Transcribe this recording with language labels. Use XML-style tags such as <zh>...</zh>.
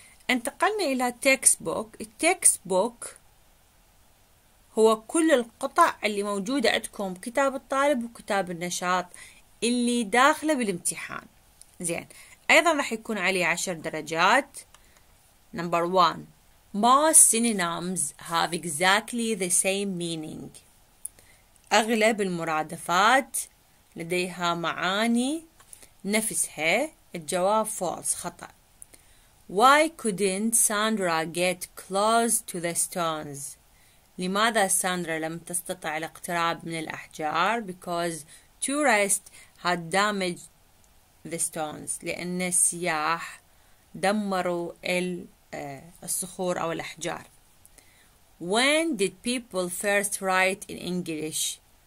<ar>انتقلنا إلى textbook. textbook هو كل القطع اللي موجودة عندكم, كتاب الطالب وكتاب النشاط اللي داخله بالامتحان. زين, أيضا راح يكون عليه 10 درجات.</ar> <en>Number one, most synonyms have exactly the same meaning.</en> <ar>أغلب المرادفات لديها معاني نفسها. الجواب false, خطأ.</ar> <en>Why couldn't Sandra get close to the stones?</en> <ar>لماذا ساندرا لم تستطع الاقتراب من الأحجار؟</ar> <en>Because tourists had damaged the stones.</en> <ar>لأن السياح دمروا الصخور أو الأحجار.</ar> <en>When did people first write in English?</en>